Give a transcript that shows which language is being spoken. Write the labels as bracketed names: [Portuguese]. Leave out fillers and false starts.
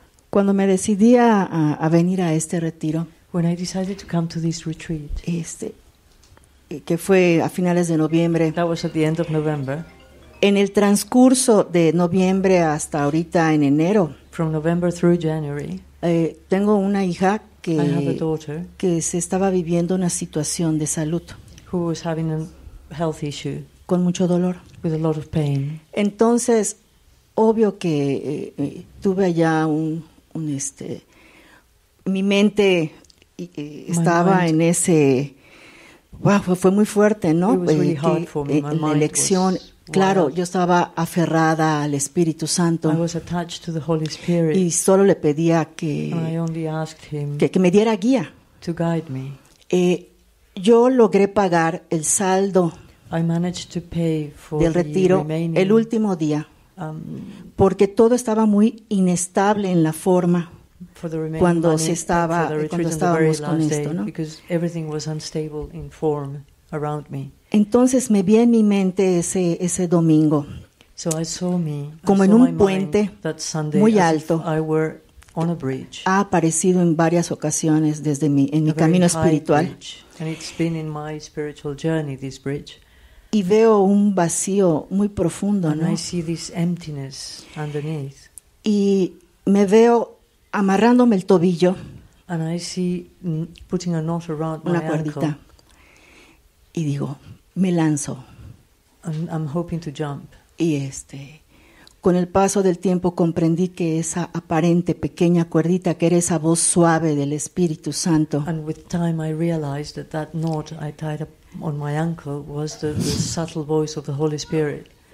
[Spanish] Cuando me decidí a venir a este retiro, [English] when I decided to come to this retreat, [Spanish] que fue a finales de noviembre, [English] that was at the end of November, [Spanish] en el transcurso de noviembre hasta ahorita en enero, [English] from November through January, [Spanish] tengo una hija que, [English] I have a daughter, [Spanish] que se estaba viviendo una situación de salud, [English] who was having a health issue, [Spanish] con mucho dolor, [English] with a lot of pain. [Spanish] Entonces, obvio que tuve allá mi mente estaba en ese, wow, fue muy fuerte, ¿no? La elección, claro, yo estaba aferrada al Espíritu Santo. [English] I was attached to the Holy Spirit, [Spanish] y solo le pedía que, [English] I only asked him [Spanish] que me diera guía. [English] To guide me. [Spanish] Yo logré pagar el saldo [English] I managed to pay for [Spanish] del retiro [English] the remaining, [Spanish] el último día, porque todo estaba muy inestable en la forma cuando se estaba cuando estábamos con esto, ¿no? [English] Because everything was unstable in form around me. [Spanish] Entonces me vi en mi mente ese domingo, [English] so I saw me, [Spanish] como [English] I [Spanish] en [English] saw [Spanish] un puente [English] Sunday, [Spanish] muy alto. [English] On a bridge. [Spanish] Ha aparecido en varias ocasiones desde mi camino espiritual. [English] And it's been in my spiritual journey, this bridge. [Spanish] Y veo un vacío muy profundo, [English] and [Spanish] ¿no? [English] I see this emptiness underneath. [Spanish] Y me veo amarrándome el tobillo. [English] And I see putting a knot around [Spanish] una [English] my [Spanish] cuerdita. [English] Ankle. [Spanish] Y digo, me lanzo. [English] I'm hoping to jump. [Spanish] Y con el paso del tiempo comprendí que esa aparente pequeña cuerdita, que era esa voz suave del Espíritu Santo, [English] and with time I realized that that knot I tied up on my ankle was the subtle voice of the Holy Spirit.